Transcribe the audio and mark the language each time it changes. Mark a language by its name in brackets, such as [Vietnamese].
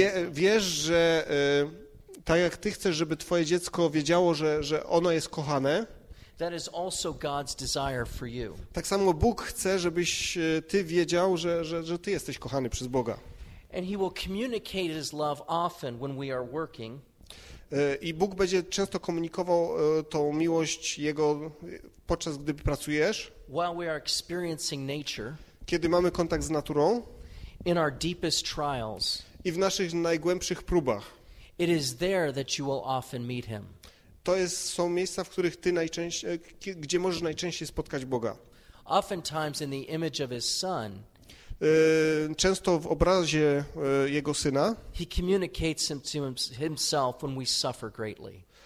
[Polish] Wiesz, że tak jak ty chcesz, żeby twoje dziecko wiedziało, że ono jest kochane. [English] That is also God's desire for you. [Polish] Tak samo Bóg chce, żebyś ty wiedział, że ty jesteś kochany przez Boga. [English] And he will communicate his love often when we are working. [Polish] I Bóg będzie często komunikował tą miłość jego podczas gdy pracujesz. [English] While we are experiencing nature. [Polish] Kiedy mamy kontakt z naturą. [English] In our deepest trials. [Polish] I w naszych najgłębszych próbach. [English] It is there that you will often meet him. [Polish] To jest, są miejsca, w których ty gdzie możesz najczęściej spotkać Boga. [English] Oftentimes in the image of his son. [Polish] Często w obrazie jego syna. [English] He communicates to himself when we suffer greatly.